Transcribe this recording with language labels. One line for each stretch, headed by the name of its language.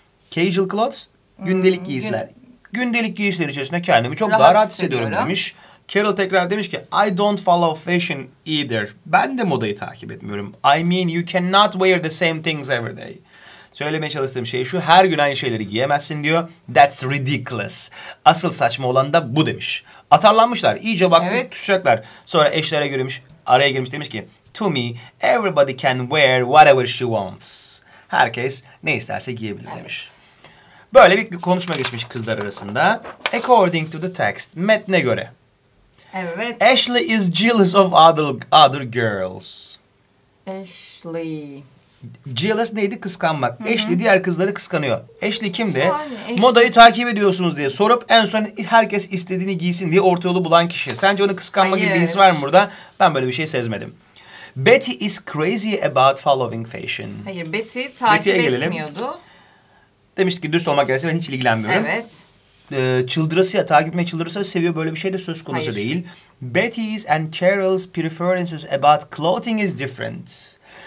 English: Casual clothes?
Turkish: Gündelik giysiler. Gündelik giysiler içerisinde kendimi çok rahat daha rahat hissediyorum demiş. Carol tekrar demiş ki
English: I don't follow fashion either.
Turkish: Ben de modayı takip etmiyorum.
English: I mean you cannot wear the same things every day.
Turkish: Söylemeye çalıştığım şey şu, her gün aynı şeyleri giyemezsin diyor.
English: That's ridiculous.
Turkish: Asıl saçma olan da bu demiş. Atarlanmışlar, iyice baktık, evet. Tutacaklar. Sonra eşlere girmiş, araya girmiş demiş ki
English: to me, everybody can wear whatever she wants.
Turkish: Herkes ne isterse giyebilir, evet. Demiş. Böyle bir konuşma geçmiş kızlar arasında.
English: According to the text,
Turkish: metne göre. Evet.
English: Ashley is jealous of other girls. Ashley...
Turkish: Jealous neydi? Kıskanmak. Hı-hı. Ashley diğer kızları kıskanıyor. Ashley kimdi? Yani Ashley. Modayı takip ediyorsunuz diye sorup en son herkes istediğini giysin diye orta yolu bulan kişi. Sence onu kıskanma, hayır, gibi bir his var mı burada? Ben böyle bir şey sezmedim.
English: Betty is crazy about following fashion.
Turkish: Hayır, Betty takip etmiyordu. Demiştik ki dürüst olmak gerekirse ben hiç ilgilenmiyorum. Evet. Çıldırasıya, takip etmeye çıldırırsa seviyor, böyle bir şey de söz konusu, hayır, değil.
English: Betty's and Carol's preferences about clothing is different.